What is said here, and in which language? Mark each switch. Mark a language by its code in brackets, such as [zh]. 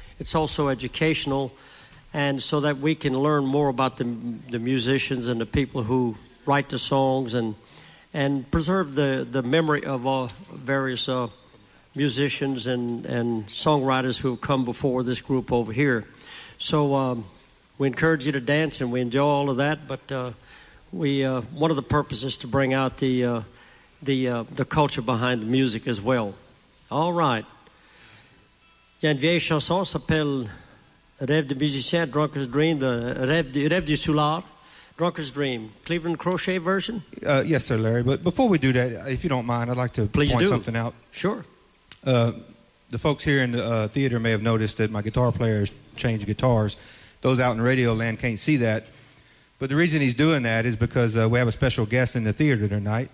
[en] It's also educational, and so that we can learn more about the musicians and the people who write the songs and preserve the memory of various musicians and songwriters who have come before this group over here. So we encourage you to dance, and we enjoy all of that, but one of the purposes is to bring out the culture behind the music as well. All right. [fr] Il y a une vieille chanson s'appelle Rêve du musicien, Drunkard's Dream, Rêve du soulard, Drunkard's Dream, Cleveland Crochet version? [en] Yes, sir, Larry, but before we do that, if you don't mind, I'd like to please point do. Something out. Sure. The folks here in the theater may have noticed that my guitar player has changed guitars. Those out in radio land can't see that. But the reason he's doing that is because we have a special guest in the theater tonight.